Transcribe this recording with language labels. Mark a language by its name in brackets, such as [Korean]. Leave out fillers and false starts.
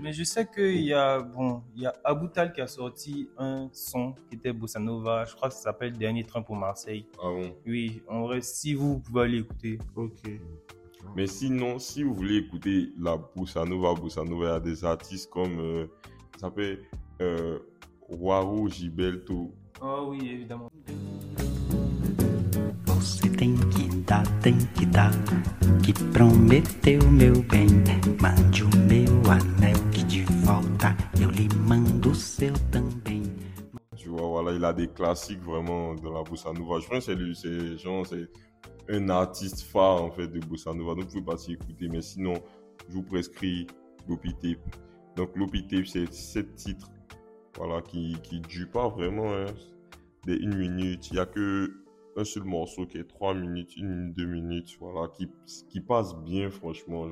[French] Mais je sais qu'il y a, il y a Aboutal qui a sorti un son qui était Bossa Nova, je crois que ça s'appelle Dernier Train pour Marseille. Ah bon? Oui, en vrai, si vous pouvez aller écouter. Ok. Mais sinon, si vous voulez écouter la Bossa Nova, il y a des artistes comme, ça s'appelle Waru Gibelto. Oh oui, évidemment. [Portuguese] Você tem que dar, que prometeu meu bem. Mande o meu anel que de volta, eu lhe mando o seu também. [French] Tu vois, voilà, il a des classiques vraiment de la Bossa Nova. Je pense que c'est un artiste phare en fait de Bossa Nova. Donc vous pouvez pas s'y écouter, mais sinon, je vous prescris l'Opitip. Donc l'Opitip, c'est 7 titres. Voilà, qui ne dure pas vraiment hein, des 1 minute. Il n'y a qu'un seul morceau qui est 3 minutes, 1 minute, 2 minutes, voilà, qui passe bien, franchement.